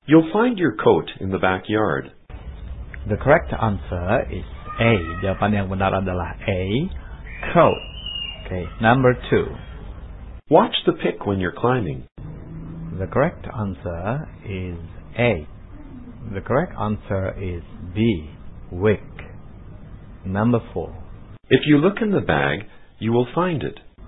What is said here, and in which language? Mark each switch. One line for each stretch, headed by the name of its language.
English: You'll find your coat in the backyard. The correct answer is A.
Indonesian: Jawaban yang benar adalah A, coat.
English: Okay, number 2. Watch the pick when you're climbing. The correct answer is A. The correct answer is B, wick. Number 4. If you look in the bag, you will find it.